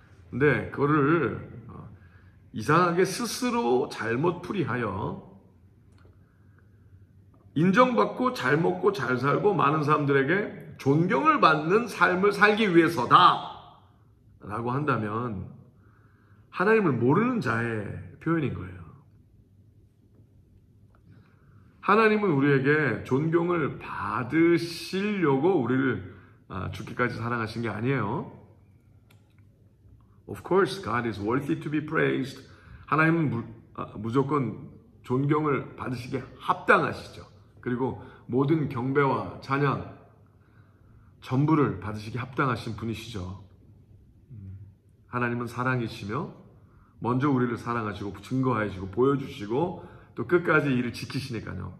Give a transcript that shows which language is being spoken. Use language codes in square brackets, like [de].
[ko] 근데 그거를 이상하게 스스로 잘못 풀이하여 인정받고 잘 먹고 잘 살고 많은 사람들에게 존경을 받는 삶을 살기 위해서다 라고 한다면 하나님을 모르는 자의 표현인 거예요. 하나님은 우리에게 존경을 받으시려고 우리를 죽기까지 사랑하신 게 아니에요. [en] Of course, God is worthy to be praised. [ko] 하나님은 무조건 존경을 받으시기에 합당하시죠. 그리고 모든 경배와 찬양 전부를 받으시기에 합당하신 분이시죠. 하나님은 사랑이시며 먼저 우리를 사랑하시고 증거하시고 보여주시고 또 끝까지 일을 지키시니까요.